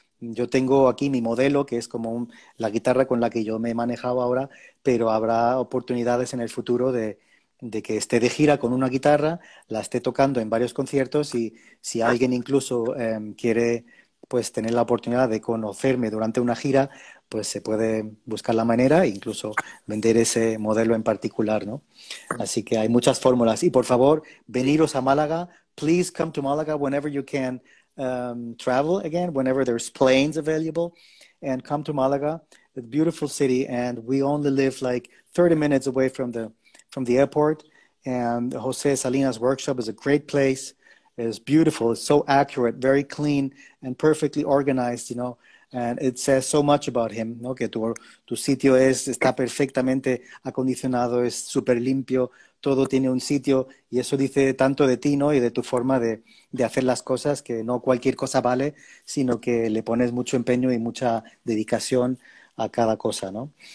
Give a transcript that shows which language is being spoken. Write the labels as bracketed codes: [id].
[es] Yo tengo aquí mi modelo, que es como la guitarra con la que yo me he manejado ahora, pero habrá oportunidades en el futuro de que esté de gira con una guitarra, la esté tocando en varios conciertos, y si alguien incluso quiere pues tener la oportunidad de conocerme durante una gira, pues se puede buscar la manera e incluso vender ese modelo en particular, ¿no? Así que hay muchas fórmulas. Y por favor, veniros a Málaga. [en] Please come to Málaga whenever you can travel again, whenever there's planes available, and come to Málaga, a beautiful city, and we only live like 30 minutes away from the airport, and José Salinas Workshop is a great place. It's beautiful, it's so accurate, very clean and perfectly organized, you know. And it says so much about him, ¿no? [es] Que tu sitio está perfectamente acondicionado, es súper limpio, todo tiene un sitio, y eso dice tanto de ti, ¿no? Y de tu forma de hacer las cosas, que no cualquier cosa vale, sino que le pones mucho empeño y mucha dedicación a cada cosa, ¿no?